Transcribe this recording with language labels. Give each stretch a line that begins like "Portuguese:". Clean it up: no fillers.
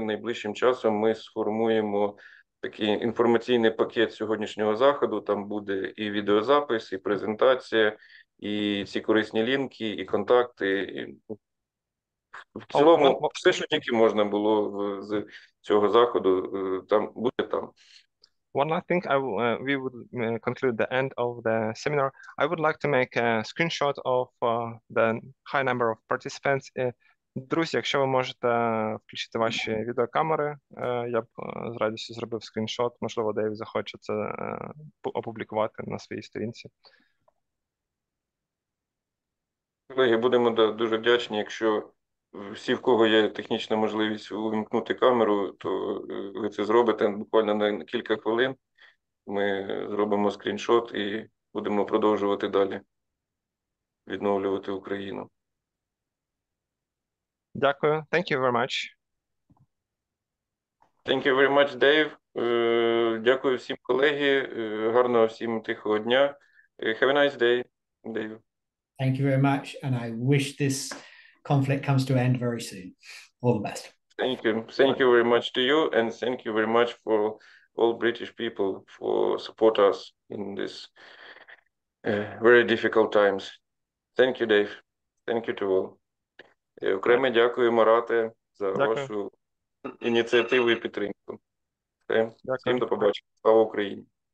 Ukrainian: Найближчим часом ми сформуємо такий інформаційний пакет сьогоднішнього заходу, там буде і відеозапис, і презентація, і ці корисні лінки, і контакти. І в цілому, все, що тільки можна було з цього заходу, там буде там.
English: One last thing, we would conclude the end of the seminar. I would like to make a screenshot of the high number of participants.
Ukrainian: Друзі, якщо ви можете включити ваші відеокамери, я б з радістю зробив скріншот. Можливо, Дейв захоче це опублікувати на своїй сторінці. Колеги, будемо дуже вдячні. Якщо всі, в кого є технічна можливість увімкнути камеру, то ви це зробите буквально на кілька хвилин. Ми зробимо скріншот і будемо продовжувати далі відновлювати Україну. Дякую.
English: Thank you very much. Thank you very much, Dave.
Ukrainian: Дякую всім, колеги. Гарного всім тихого дня.
English: Have a nice day, Dave. Thank you very much, and I wish this conflict comes to an end very soon. All the best. Thank you. Thank you very much to you, and thank you very much for all British people for support us in this very difficult times. Thank you, Dave. Thank you to all.
Ukrainian: І окремо дякую, Марате, за вашу ініціативу і підтримку. Всім до побачення. Слава Україні.